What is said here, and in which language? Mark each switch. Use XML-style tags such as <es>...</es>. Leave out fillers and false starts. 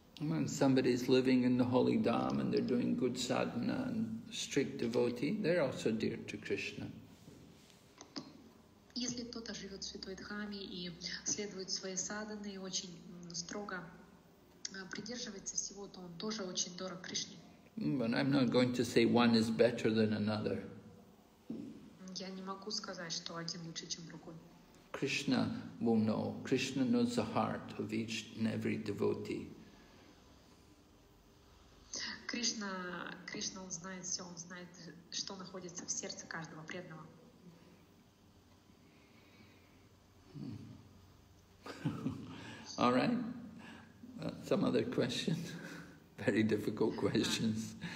<en>When somebody is living in the holy dham and they're doing good sadhana and strict devotee, they're also dear to Krishna.</en> <ru>Если кто-то живет в святой дхаме и следует своей садхане и очень строго придерживается всего, то он тоже очень дорог Кришне.</ru> <en>But I'm not going to say one is better than another.</en> <ru>Я не могу сказать, что один лучше, чем другой.</ru> <en>Krishna will know. Krishna knows the heart of each and every devotee.</en> <ru>Кришна, он знает все, он знает, что находится в сердце каждого преданного.</ru> <en>All right. Some other questions. Very difficult questions.</en>